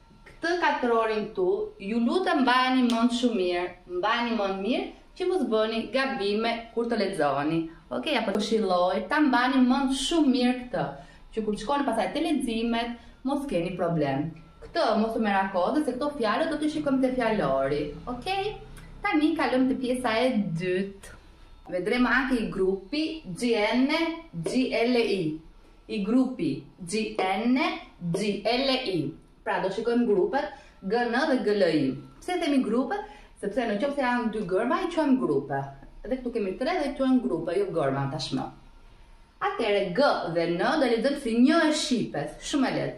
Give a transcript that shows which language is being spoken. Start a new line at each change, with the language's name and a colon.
Albanian: Këtë katrorin këtu, ju lutem mbani mend shumë mirë, mbani mend mirë, që mos bëni gabime kur të lexoni. Ok, apo këshilloj, ta mbani mend shumë mirë këtë, që kur shkoni pasaj te leximet, mos keni problem. Këtë mos u merakoni se këto fjalë do t'i shikojmë te fjalori. Ok? Tani kalojmë te pjesa e dytë.
Italian: Vedremo anche i gruppi GN, GLI. I gruppi GN, GLI.
Albanian: Pra do shikojmë grupet GN dhe GLI. Pse themi grupet? Sepse në qoftë se janë dy gërma, i quajmë grupe. Edhe këtu kemi tre dhe quajmë grupe, jo gërma tashmë. Atëherë G dhe N do lexojmë si një e shipës, shumë e lehtë.